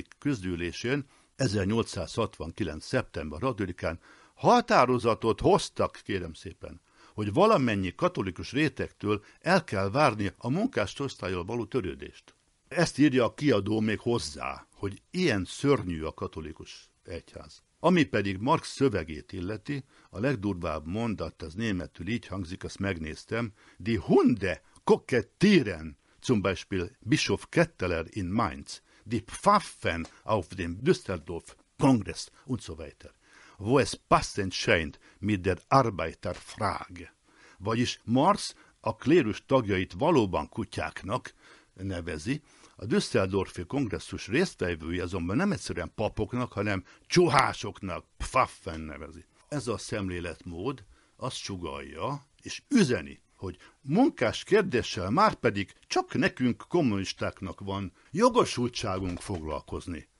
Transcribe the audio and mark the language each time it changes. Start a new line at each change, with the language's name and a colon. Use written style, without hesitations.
Hungarian: közgyűlésén 1869. szeptember 6-án határozatot hoztak, kérem szépen, hogy valamennyi katolikus rétegtől el kell várni a munkástörvényhozásról való törődést. Ezt írja a kiadó még hozzá, hogy ilyen szörnyű a katolikus egyház. Ami pedig Marx szövegét illeti, a legdurvább mondat az németül így hangzik, azt megnéztem,
German: Die Hunde kokettieren, zum Beispiel Bischof Ketteler in Mainz, die Pfaffen auf dem Düsseldorf Kongress und so weiter, wo es passend scheint mit der Arbeiterfrage.
Hungarian: Vagyis Marx a klérus tagjait valóban kutyáknak nevezi, a Düsseldorfi kongresszus résztvevői azonban nem egyszerűen papoknak, hanem csuhásoknak, Pfaffen nevezi. Ez a szemléletmód azt sugallja és üzeni, hogy munkás kérdéssel márpedig csak nekünk kommunistáknak van jogosultságunk foglalkozni.